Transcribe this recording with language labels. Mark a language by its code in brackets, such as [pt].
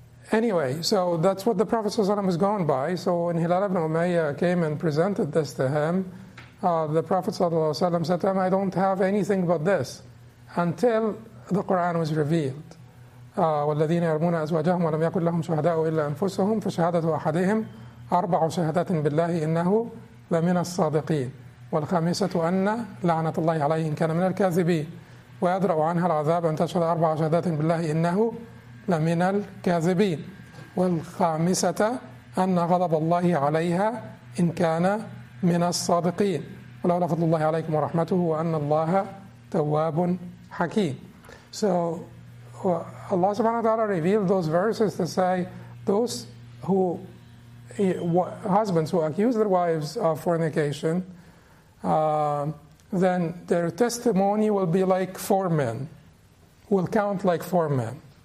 [en] Anyway, so that's what the Prophet ﷺ is going by. So when Hilal ibn Umayyah came and presented this to him, the Prophet ﷺ said to him, I don't have anything but this until the Quran was revealed. [ar] والذين يرمون أزواجهم ولم يكن لهم شهداء إلا أنفسهم فشهادة أحدهم أربع شهادات بالله إنه لمن الصادقين والخامسة أن لعنة الله عليه إن كان من الكاذبين ويدرأ عنها العذاب أن تشهد أربع شهادات بالله إنه لمن الكاذبين والخامسة أن غضب الله عليها إن كان من الصادقين ولولا فضل الله عليكم ورحمته وأن الله تواب حكيم. [en] So Allah subhanahu wa ta'ala revealed those verses to say those who husbands who accuse their wives of fornication, then their testimony will be like four men, will count like four men.